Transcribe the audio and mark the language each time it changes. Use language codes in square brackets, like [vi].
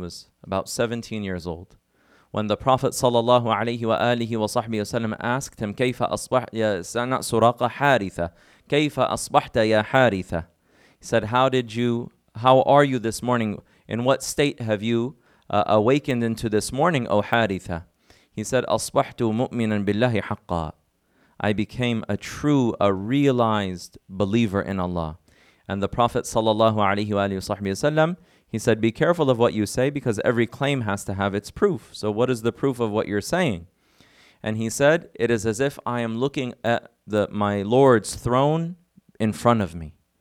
[en] He was about 17 years old. When the Prophet sallallahu alayhi wa alihi wa sahbihi wasallam asked him, [ar] كيف أصبحت يا سراقة حارثة؟ كيف أصبحت يا حارثة؟ [en] He said, how are you this morning? In what state have you awakened into this morning, O حارثة? He said, [ar] أصبحت مؤمنا بالله حقا. [en] I became a realized believer in Allah. And the Prophet sallallahu alayhi wa alihi wa sahbihi wasallam, he said, be careful of what you say, because every claim has to have its proof. So what is the proof of what you're saying? And he said, it is as if I am looking at my Lord's throne in front of me.